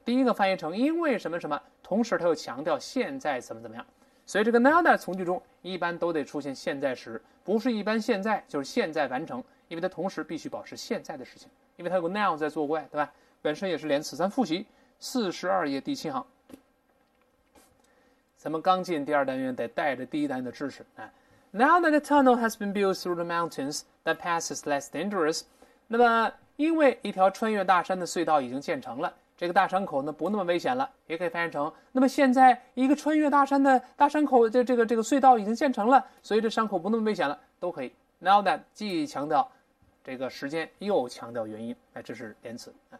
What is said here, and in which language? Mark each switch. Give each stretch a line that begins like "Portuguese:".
Chinese: 第一个翻译成因为什么什么，同时它又强调现在怎么怎么样，所以这个 now that 从句中一般都得出现现在时，不是一般现在就是现在完成，因为它同时必须保持现在的事情，因为它有个 now 在作怪，对吧？本身也是连词。咱复习42页第7行，咱们刚进第二单元得带着第一单元的知识啊。
English: Now that the tunnel has been built through the mountains, that pass is less dangerous.
Chinese: 那么因为一条穿越大山的隧道已经建成了，这个大山口呢不那么危险了，也可以翻译成那么现在一个穿越大山的大山口的这个隧道已经建成了，所以这山口不那么危险了，都可以。 Now that 既强调这个时间又强调原因，那这是连词。